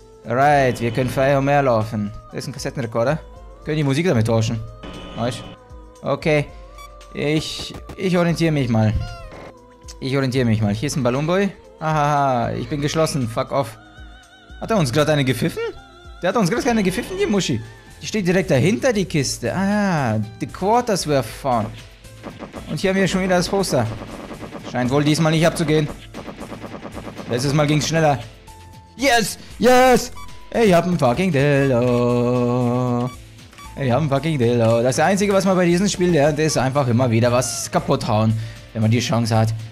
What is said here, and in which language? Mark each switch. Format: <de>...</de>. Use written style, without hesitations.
<de>Right, wir können frei umherlaufen. Das ist ein Kassettenrekorder. Können die Musik damit tauschen? Weißt? Okay. Ich orientiere mich mal. Hier ist ein Ballonboy. Hahaha, ich bin geschlossen. Fuck off. Hat er uns gerade eine gepfiffen? Der hat uns gerade keine gepfiffen, die Muschi. Die steht direkt dahinter, die Kiste.</de> <en>Ah, the quarters were found.</en> <de>Und hier haben wir schon wieder das Poster. Scheint wohl diesmal nicht abzugehen. Letztes Mal ging es schneller.</de> <en>Yes! Yes!</en> <de>Ich hab'n fucking Dildo. Ich hab'n fucking Dildo. Das Einzige, was man bei diesem Spiel lernt, ist einfach immer wieder was kaputt hauen. Wenn man die Chance hat.</de>